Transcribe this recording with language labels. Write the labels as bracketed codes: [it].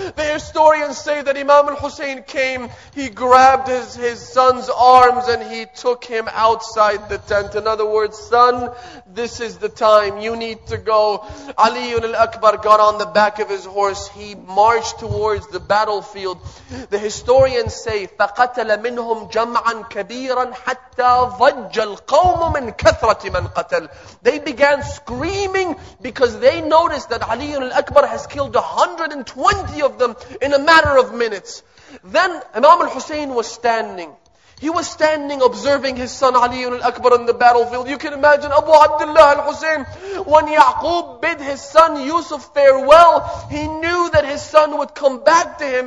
[en] The historians say that Imam al-Hussein came, he grabbed his son's arms and he took him outside the tent. In other words, son, this is the time. You need to go. Ali ibn al-Akbar got on the back of his horse. He marched towards the battlefield. The historians say, [ar] فَقَتَلَ مِنْهُمْ جَمْعًا كَبِيرًا حَتَّى ضَجَّ الْقَوْمُ مِنْ كَثْرَةِ مَنْ قَتَلَ. [en] They began screaming because they noticed that Ali ibn al-Akbar has killed 120 of them in a matter of minutes. Then Imam al-Hussein was standing. He was standing observing his son Ali ibn al-Akbar on the battlefield. You can imagine Abu Abdullah al-Hussein, when Ya'qub bid his son Yusuf farewell, he knew that his son would come back to him.